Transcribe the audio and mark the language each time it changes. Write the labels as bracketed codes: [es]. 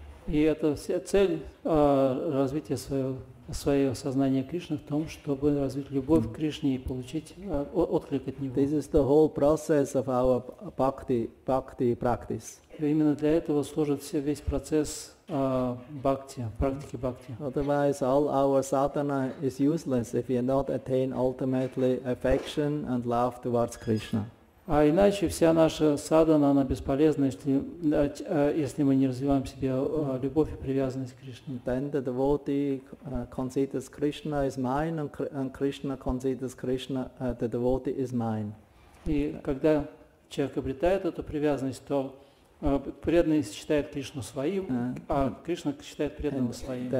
[ru] И это цель развития своего сознания Кришны в том, чтобы развить любовь к Кришне и получить отклик от Него. [en] This is the whole process of our bhakti practice. [ru] И именно для этого служит весь процесс бхакти, практики бхакти. [en] Otherwise, all our sadhana is useless if we not attain ultimately affection and love towards Krishna. [ru] А иначе вся наша садхана, она бесполезна, если мы не развиваем в себе любовь и привязанность к Кришне. [en] Then the devotee considers Krishna is mine, and Krishna considers Krishna the devotee is mine. [ru] И когда человек обретает эту привязанность, то преданный считает Кришну своим, а Кришна считает преданного своим.